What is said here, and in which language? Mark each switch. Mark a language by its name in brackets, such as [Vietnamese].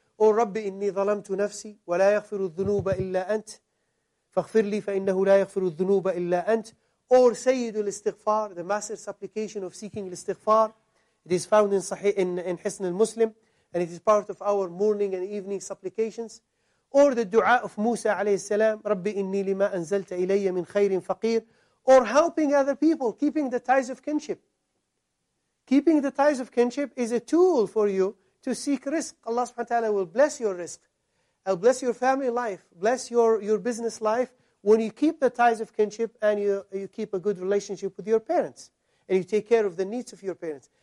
[Arabic] Or رَبِّ إِنِّي ظَلَمْتُ نَفْسِي وَلَا يَغْفِرُ الذُّنُوبَ إِلَّا أَنْتَ فَاغْفِرْ لِي فَإِنَّهُ لَا يَغْفِرُ الذُّنُوبَ إِلَّا أَنْتَ. [English] Or [Arabic] سَيِّدُ الْإِسْتِغْفَارِ, [English] the master's application of seeking الاستغفار. It is found in صحيح, in حسن المسلم, and it is part of our morning and evening supplications. Or the dua of Musa [Arabic] عليه السلام, رَبِّ إِنِّي لِمَا أَنْزَلْتَ إِلَيَّ مِنْ خَيْرٍ فَقِيرٍ. [English] Or helping other people, keeping the ties of kinship. Keeping the ties of kinship is a tool for you to seek rizq. Allah subhanahu wa ta'ala will bless your rizq. He'll bless your family life, bless your business life when you keep the ties of kinship and you keep a good relationship with your parents and you take care of the needs of your parents.